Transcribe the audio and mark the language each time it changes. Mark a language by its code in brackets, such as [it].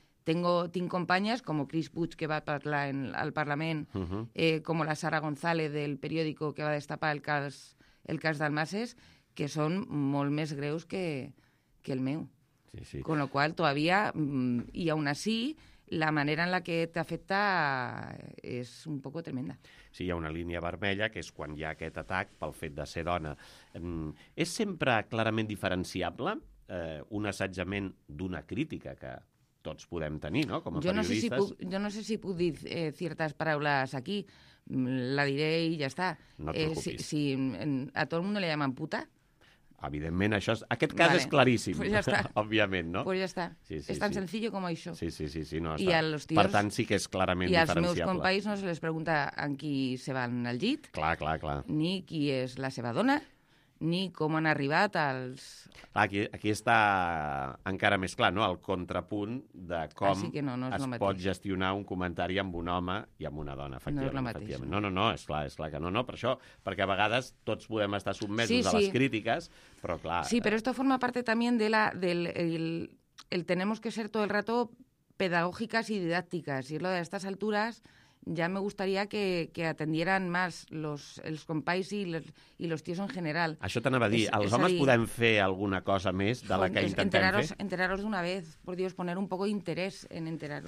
[es] Tengo compañeras como Chris Puig, que va a hablar al Parlament, como la Sara González del periódico, que va a destapar el cas d'Almases, que son [ca] molt més greus que el meu. [es] Sí, sí. Con lo cual, todavía, y aún así, [ca] la manera en la que t'afecta és un poc tremenda. Sí, hi ha una línia vermella, que és quan hi ha aquest atac pel fet de ser dona. És sempre clarament diferenciable un assetjament d'una crítica que tots podem tenir, no?, com a periodistes. Jo no sé si puc dir certes paraules aquí, la diré i ja està. No et preocupis. A tot el món li llaman puta. Evidentment, això és, aquest cas és claríssim, pues ja està. Òbviament, no? Pues ja està. És tan senzill com això. Sí, no, està. I als tios, per tant, sí que és clarament diferenciable. I als meus companys no se les pregunta en qui se van al llit. Clar. Ni qui és la seva dona, ni com han arribat als... Clar, aquí està encara més clar, no?, el contrapunt de com no es pot gestionar un comentari amb un home i amb una dona, efectivament. No és la mateixa. No, és clar que no, per això, perquè a vegades tots podem estar sotmesos a les crítiques, però clar... [es] Sí, però esto forma parte también de el tenemos que ser todo el rato pedagógicas y didácticas, y es lo de estas alturas... Ya me gustaría que atendieran más [ca] els companys i [es] los tíos en general. [ca] Això t'anava a dir, homes podem fer alguna cosa més de la que intentem fer? [es] Enteraros d'una vez, por Dios, poner un poco de interés en enteraros.